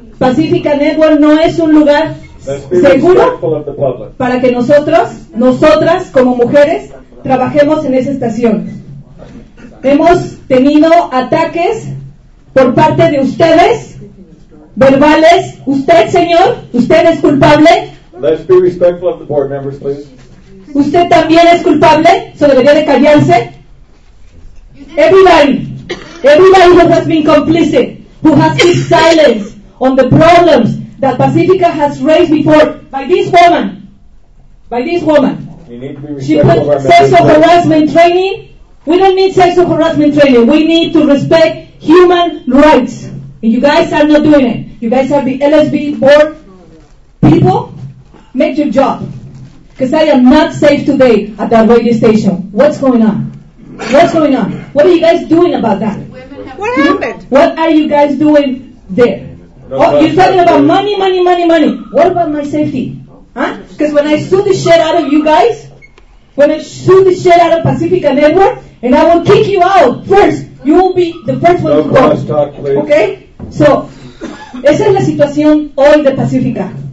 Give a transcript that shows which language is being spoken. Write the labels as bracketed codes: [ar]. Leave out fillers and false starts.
[es] Pacifica Network no es un lugar seguro para que nosotras como mujeres trabajemos en esa estación. Hemos tenido ataques por parte de ustedes, verbales. Usted, señor, usted es culpable. [en] Let's be respectful of the board members, please. [es] Usted también es culpable, so debería de callarse. [en] Everybody who has been complicit, who has kept silence on the problems that Pacifica has raised before by this woman. You need to be respectful. She put sexual harassment training. We don't need sexual harassment training. We need to respect human rights. And you guys are not doing it. You guys are the LSB board people. Make your job. Because I am not safe today at that radio station. What's going on? What are you guys doing about that? What happened? What are you guys doing there? You're talking about money. What about my safety? Huh? Because when I sue the shit out of you guys, when I sue the shit out of Pacifica Network, and I will kick you out first, you will be the first one to go. No crosstalk, please. Okay? [es] So, esa es la situación hoy de Pacifica.